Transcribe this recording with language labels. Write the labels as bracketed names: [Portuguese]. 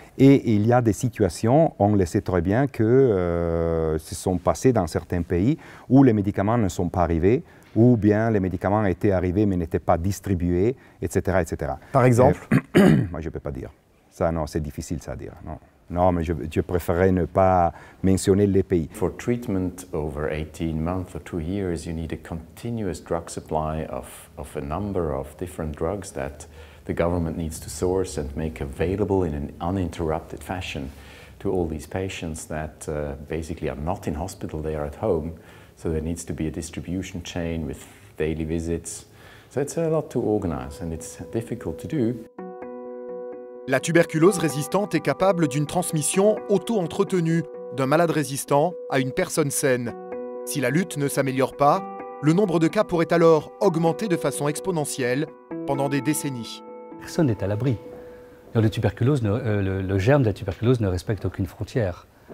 [French] Et il y a des situations, on le sait très bien, que se sont passées dans certains pays où les médicaments ne sont pas arrivés, ou bien les médicaments étaient arrivés mais n'étaient pas distribués, etc. etc. Par exemple Moi, je ne peux pas dire. Ça, non, c'est difficile, ça, à dire. Non, non mais je préférerais ne pas mentionner les pays. Pour un traitement [English] over 18 [French] mois ou 2 ans, vous avez besoin d'un [English] drug supply of a number of different drugs that the government needs to source and make available in an uninterrupted fashion to all these patients that basically are not in hospital, they are at home. So there needs to be a distribution chain with daily visits. So it's a lot to organize and it's difficult to do. [French] La tuberculose résistante est capable d'une transmission auto-entretenue d'un malade résistant à une personne saine. Si la lutte ne s'améliore pas, le nombre de cas pourrait alors augmenter de façon exponentielle pendant des décennies. Personne n'est à l'abri. Le germe de la tuberculose ne respecte aucune frontière.